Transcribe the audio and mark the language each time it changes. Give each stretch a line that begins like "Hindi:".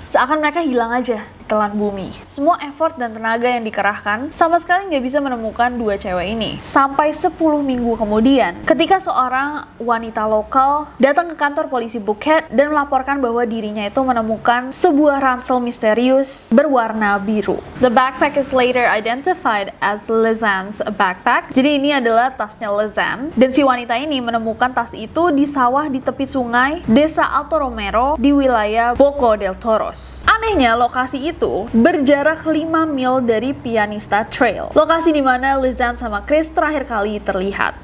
Indonesian: Seakan mereka hilang aja telan bumi. Semua effort dan tenaga yang dikerahkan sama sekali nggak bisa menemukan dua cewek ini. Sampai 10 minggu kemudian, ketika seorang wanita lokal datang ke kantor polisi Boket dan melaporkan bahwa dirinya itu menemukan sebuah ransel misterius berwarna biru.
English: The backpack is later identified as Lizanne's backpack.
Indonesian: Jadi ini adalah tasnya Lizanne. Dan si wanita ini menemukan tas itu di sawah di tepi sungai Desa Alto Romero di wilayah Boko del Toros. Anehnya, lokasi itu berjarak 5 mil dari Pianista Trail, lokasi di mana Lizanne sama Chris terakhir kali terlihat.